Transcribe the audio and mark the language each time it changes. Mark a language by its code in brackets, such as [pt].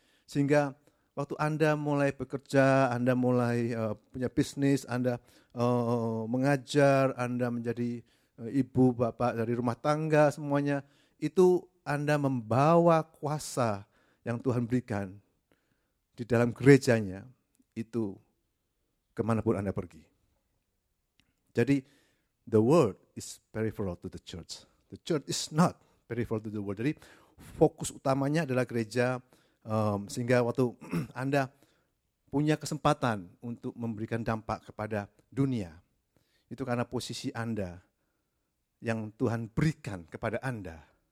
[id] Sehingga waktu Anda mulai bekerja, Anda mulai punya bisnis, Anda mengajar, Anda menjadi ibu, bapak dari rumah tangga, semuanya itu Anda membawa kuasa yang Tuhan berikan di dalam gerejanya itu kemanapun Anda pergi. [en] Jadi the world is peripheral to the church. The church is not peripheral to the world. [id] Jadi fokus utamanya adalah gereja, sehingga waktu Anda punya kesempatan untuk memberikan dampak kepada dunia, itu karena posisi Anda yang Tuhan berikan kepada Anda.